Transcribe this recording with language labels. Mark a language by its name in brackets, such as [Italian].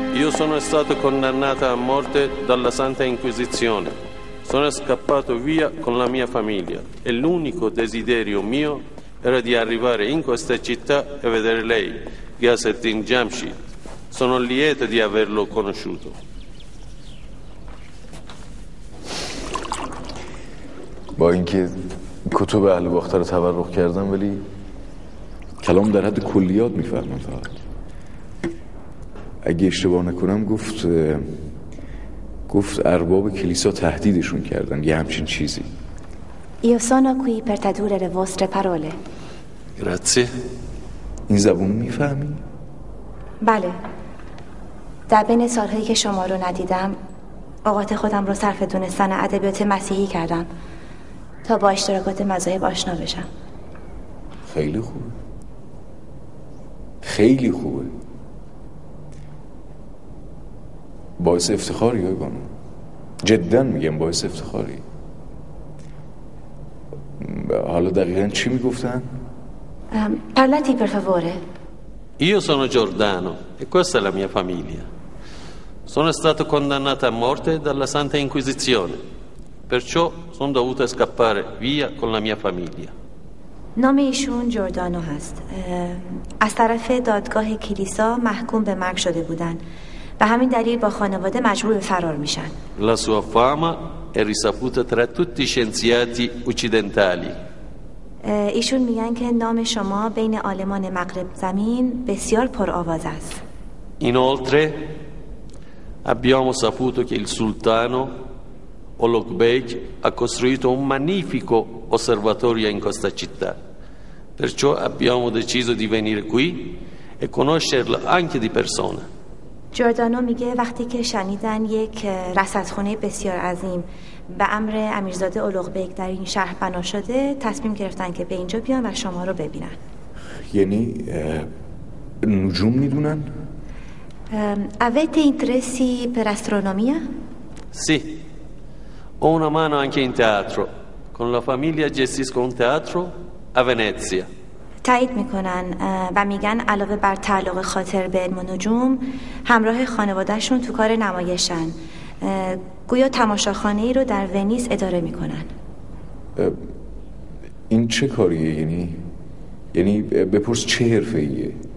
[Italian] Sono stato condannato a morte dalla Santa Inquisizione. Sono scappato via con la mia famiglia e l'unico desiderio mio era di arrivare in questa città e vedere lei, Ghiyasettin Jamshid. Sono lieto di averlo conosciuto. [Persian] با اینکه کتب اهل باختر رو تورق کردم ولی کلام در حد کلیات میفهمم فقط. اگه اشتباه نکنم گفت ارباب کلیسا تهدیدشون کردن یه همچین چیزی. [Italian] Io sono qui per tradurre le vostre parole. Grazie. [Persian] این زبون میفهمی؟ بله. در بین سالهایی که شما رو ندیدم اوقات خودم رو صرف دونستن ادبیات مسیحی کردم تا با اشتراکات مذاهب آشنا بشم. خیلی خوبه. خیلی خوبه. باعث افتخاری های بانو، جدن میگم باعث افتخاری. حالا دقیقا چی میگفتن؟ [Italian] پرلتی پر فاوره. Io sono Giordano e questa è la mia famiglia. Sono stato condannato a morte dalla Santa Inquisizione. Perciò sono dovuto scappare via con la mia famiglia. [Persian] نام ایشون جوردانو هست. از طرف دادگاه کلیسا محکوم به مرگ شده بودن و همین دلیل با خانواده مجبور به فرار میشن. [Italian] La sua fama è risaputa tra tutti i scienziati occidentali. [Persian] ایشون میگن که نام شما بین عالمان مغرب زمین بسیار پرآواز است. [Italian] Inoltre abbiamo saputo che il sultano Ulugbek ha costruito un magnifico osservatorio in questa città. Perciò abbiamo deciso di venire qui e conoscerlo anche di persona. [Persian] جوردانو میگه وقتی که شنیدن یک رصدخانه بسیار عظیم به امر امیرزاده اولوغبیک در این شهر بنا شده تصمیم گرفتن که به اینجا بیان و شما رو ببینن. یعنی نجوم میدونن؟ [Italian] avete interessi per astronomia? Sì. Ho una mano anche in teatro. Con la famiglia gestisco un teatro a Venezia. [Persian] تایید میکنن و میگن علاوه بر تعلق خاطر به علم و نجوم همراه خانوادهشون تو کار نمایشن، گویا تماشاخانه ای رو در ونیز اداره میکنن. این چه کاریه؟ یعنی بپرس چه حرفه‌ایه؟